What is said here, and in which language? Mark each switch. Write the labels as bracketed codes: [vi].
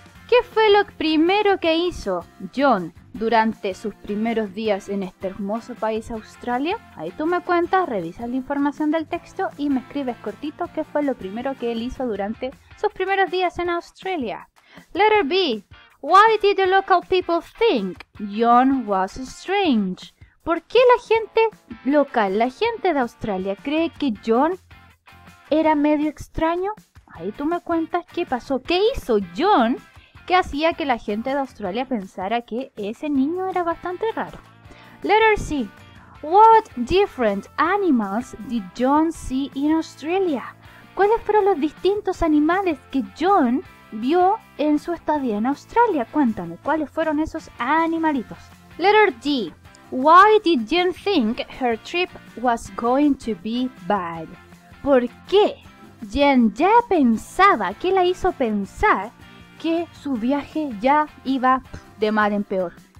[es] ¿Qué fue lo primero que hizo John durante sus primeros días en este hermoso país, Australia? Ahí tú me cuentas, revisas la información del texto y me escribes cortito qué fue lo primero que él hizo durante sus primeros días en Australia. [en] Letter B. Why did the local people think John was strange? [es] ¿Por qué la gente local, la gente de Australia, cree que John era medio extraño? Ahí tú me cuentas qué pasó. ¿Qué hizo John? ¿Qué hacía que la gente de Australia pensara que ese niño era bastante raro? [en] Letter C. What different animals did John see in Australia? [es] ¿Cuáles fueron los distintos animales que John vio en su estadía en Australia? Cuéntame, ¿cuáles fueron esos animalitos? [en] Letter D. Why did John think her trip was going to be bad? [es] ¿Por qué Jen ya pensaba, qué la hizo pensar que su viaje ya iba de mal en peor?